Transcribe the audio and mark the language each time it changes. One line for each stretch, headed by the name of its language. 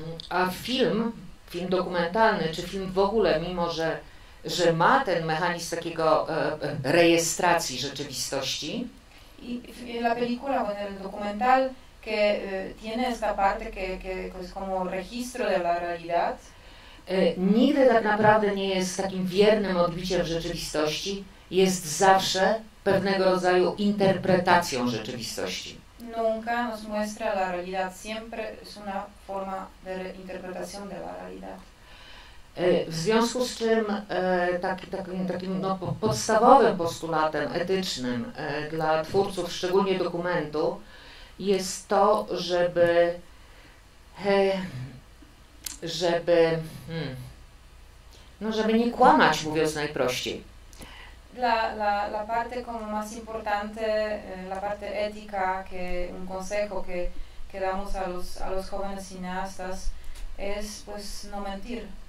Polish: A film dokumentalny, czy film w ogóle, mimo że ma ten mechanizm takiego rejestracji rzeczywistości.
Spanish: I la película o en el documental que tiene esta parte que es como registro de la realidad.
Polish: Nigdy tak naprawdę nie jest takim wiernym odbiciem rzeczywistości, jest zawsze pewnego rodzaju interpretacją rzeczywistości.
Spanish: Nunca nos muestra la realidad, siempre es una forma de interpretación de la realidad.
Polish: W związku z czym takim podstawowym postulatem etycznym dla twórców, szczególnie dokumentu, jest to, żeby nie kłamać, mówiąc najprościej.
Spanish: La parte como más importante, la parte ética, que un consejo que damos a los jóvenes cineastas es pues no mentir.